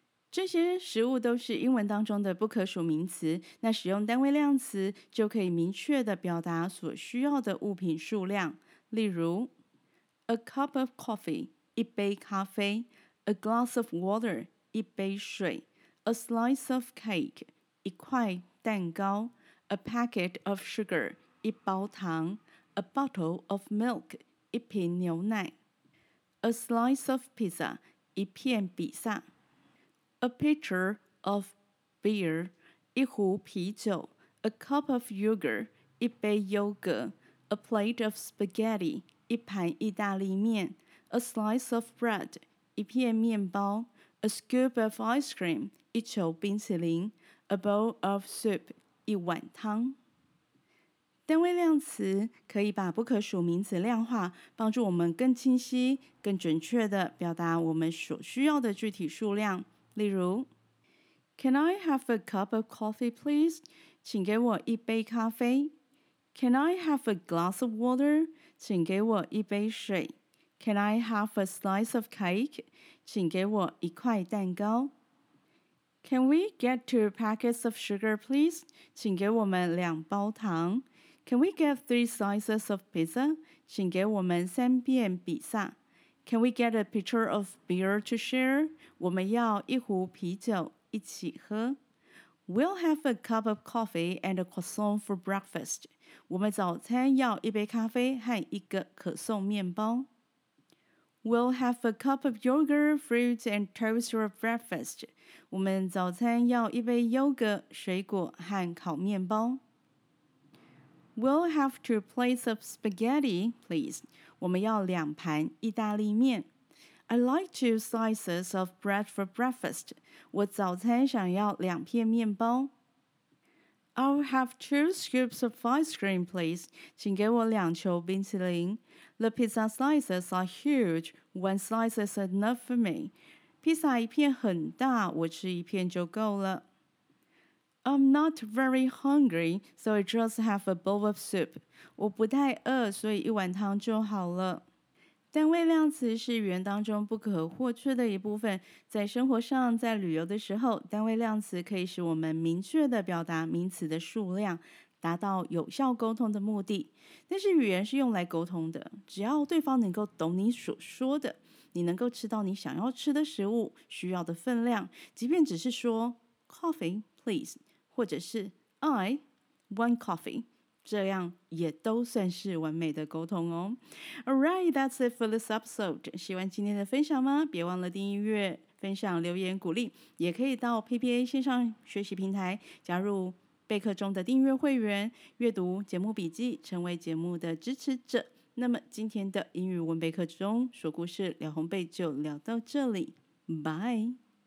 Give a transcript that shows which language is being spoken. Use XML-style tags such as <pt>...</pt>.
<zh>这些食物都是英文当中的不可数名词，那使用单位量词就可以明确的表达所需要的物品数量，例如</zh> <en>a cup of coffee</en> <zh>一杯咖啡</zh> <en>a glass of water</en> <zh>一杯水</zh> <en>a slice of cake</en> <zh>一块蛋糕</zh> <en>a packet of sugar</en> <zh>一包糖</zh> <en>a bottle of milk</en> <zh>一瓶牛奶</zh> <en>A slice of pizza</en> <zh>一片比萨</zh> <en>A pitcher of beer</en> <zh>一壶啤酒</zh> <en>A cup of yogurt</en> <zh>一杯优格</zh> <en>A plate of spaghetti</en> <zh>一盘意大利面</zh> <en>A slice of bread</en> <zh>一片面包</zh> <en>A scoop of ice cream,</en> <zh>一球冰淇淋。</zh> <en>A bowl of soup,</en> <zh>一碗汤。单位量词可以把不可数名词量化，帮助我们更清晰、更准确地表达我们所需要的具体数量。例如</zh> <en>Can I have a cup of coffee, please?</en> <zh>请给我一杯咖啡。</zh> <en>Can I have a glass of water?</en> <zh>请给我一杯水。</zh> <en>Can I have a slice of cake?</en> <zh>请给我一块蛋糕。</zh> <en>Can we get 2 packets of sugar, please?</en> <zh>请给我们两包糖。</zh> <en>Can we get 3 slices of pizza?</en> <zh>请给我们三片比萨。</zh> <en>Can we get a pitcher of beer to share?</en> <zh>我们要一壶啤酒一起喝。</zh> <en>We'll have a cup of coffee and a croissant for breakfast.</en> <zh>我们早餐要一杯咖啡和一个可颂面包。</zh> <en>We'll have a cup of yogurt, fruit, and toast for breakfast.</en> <zh>我们早餐要一杯优格、水果和烤面包。</zh> <en>We'll have 2 plates of spaghetti, please.</en> <zh>我们要两盘意大利面。</zh> <en>I'd like 2 slices of bread for breakfast.</en> <zh>我早餐想要两片面包。</zh> <en>I'll have 2 scoops of ice cream, please.</en> <zh>请给我两球冰淇淋。</zh> <en>The pizza slices are huge. 1 slice is enough for me.</en> <zh>披萨一片很大，我吃一片就够了。</zh> <en>I'm not very hungry, so I just have a bowl of soup.</en> <zh>我不太饿，所以一碗汤就好了。单位量词是语言当中不可或缺的一部分。在生活上，在旅游的时候，单位量词可以使我们明确地表达名词的数量，达到有效沟通的目的。但是语言是用来沟通的，只要对方能够懂你所说的，你能够吃到你想要吃的食物需要的分量，即便只是说</zh> <en>coffee please</en> <zh>或者是</zh> <en>I one coffee，</en> <zh>这样也都算是完美的沟通哦。</zh> <en>Alright, that's it for this episode.</en> <zh>喜欢今天的分享吗？别忘了订阅、分享、留言鼓励，也可以到 PPA 线上学习平台加入备课中的订阅会员，阅读节目笔记，成为节目的支持者。那么今天的英语文备课中说故事，廖烘焙就聊到这里。</zh> <en>Bye。</en>